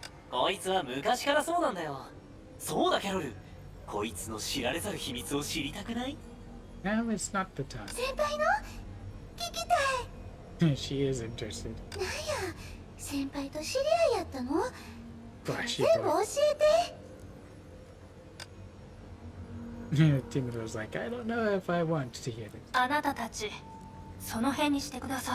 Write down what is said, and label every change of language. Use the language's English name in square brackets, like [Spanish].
[Japanese] こいつは昔からそうなんだよ。そうだ、キャロル。こいつの知られざる秘密を知りたくない？ [English] Now it's not the time. [Japanese] 先輩の？聞きたい。 [English] She is interested. [Japanese] なんや。先輩と知り合いやったの？全部教えて。 [English] ティムドは、like, I don't know if I want to hear this. [Japanese] あなたたち、その辺にしてください。